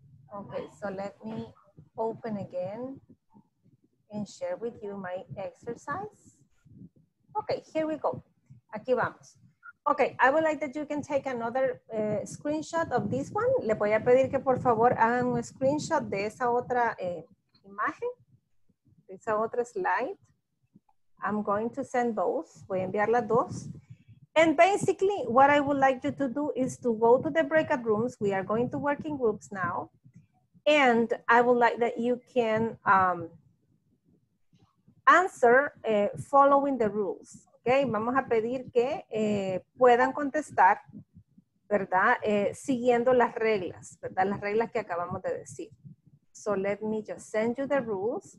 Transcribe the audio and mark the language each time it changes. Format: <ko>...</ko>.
<en>Okay, so let me open again and share with you my exercise. Okay, here we go.</en> <es>Aquí vamos.</es> <en>Okay, I would like that you can take another screenshot of this one.</en> <es>Le voy a pedir que por favor hagan un screenshot de esa otra imagen, de esa otra slide.</es> <en>I'm going to send both.</en> <es>Voy a enviar las dos.</es> <en>And basically, what I would like you to do is to go to the breakout rooms. We are going to work in groups now. And I would like that you can answer following the rules.</en> <es>Okay, vamos a pedir que puedan contestar, ¿verdad? Siguiendo las reglas, ¿verdad? Las reglas que acabamos de decir.</es> <en>So let me just send you the rules.</en>